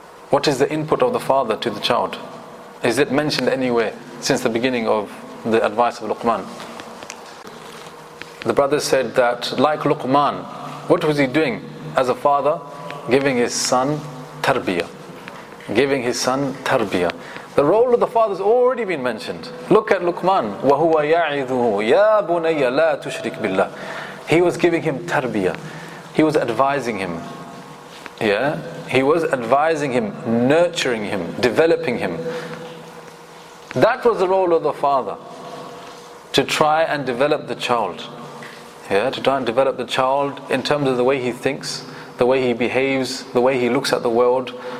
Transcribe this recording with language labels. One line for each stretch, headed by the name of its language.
English: What is the input of the father to the child? Is it mentioned anywhere since the beginning of the advice of Luqman? The brother said that, like Luqman, what was he doing as a father? Giving his son tarbiyah. Giving his son tarbiyah. The role of the father has already been mentioned. Look at Luqman.
Arabic: وَهُوَ يَعِذُهُ يَا بُنَيَّ لَا تُشْرِكْ بِاللَّهِ
English: He was giving him tarbiyah. He was advising him. Yeah, he was advising him, nurturing him, developing him. That was the role of the father, to try and develop the child. Yeah, to try and develop the child in terms of the way he thinks, the way he behaves, the way he looks at the world.